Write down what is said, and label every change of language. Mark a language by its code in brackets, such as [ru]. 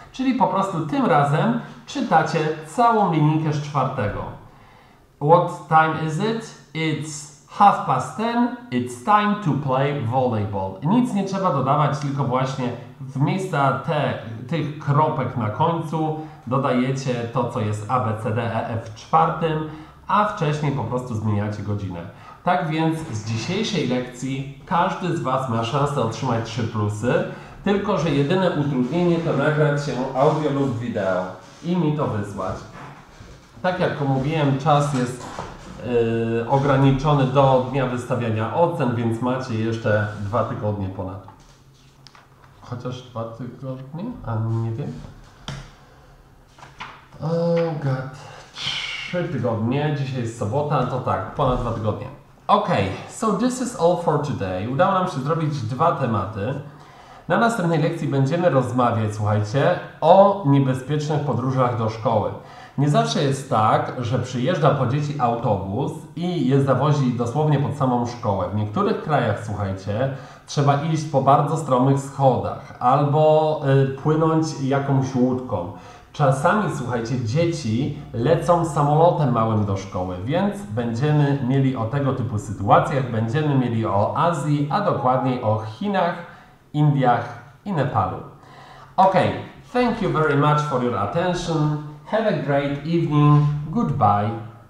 [pl] Czyli po prostu tym razem czytacie całą linijkę z 4. [en] What time is it? It's 10:30. It's time to play volleyball. [pl] Nic nie trzeba dodawać, tylko właśnie w miejsca tych kropek na końcu dodajecie to, co jest A, B, C, D, E, F w 4, a wcześniej po prostu zmieniacie godzinę. Tak więc z dzisiejszej lekcji każdy z Was ma szansę otrzymać 3 plusy. Tylko, że jedyne utrudnienie to nagrać się audio lub wideo i mi to wysłać. Tak jak mówiłem, czas jest ograniczony do dnia wystawiania ocen, więc macie jeszcze 2 tygodnie ponad. Chociaż 2 tygodnie? A nie wiem. [en] Oh God. [pl] 3 tygodnie, dzisiaj jest sobota, to tak, ponad 2 tygodnie. [en] Okay, so this is all for today. [pl] Udało nam się zrobić 2 tematy. Na następnej lekcji będziemy rozmawiać, słuchajcie, o niebezpiecznych podróżach do szkoły. Nie zawsze jest tak, że przyjeżdża po dzieci autobus i je zawozi dosłownie pod samą szkołę. W niektórych krajach, słuchajcie, trzeba iść po bardzo stromych schodach albo płynąć jakąś łódką. Czasami, słuchajcie, dzieci lecą samolotem małym do szkoły, więc będziemy mieli o tego typu sytuacjach, będziemy mieli o Azji, a dokładniej o Chinach, Indiach i Nepalu. [en] Okay, thank you very much for your attention. Have a great evening. Goodbye.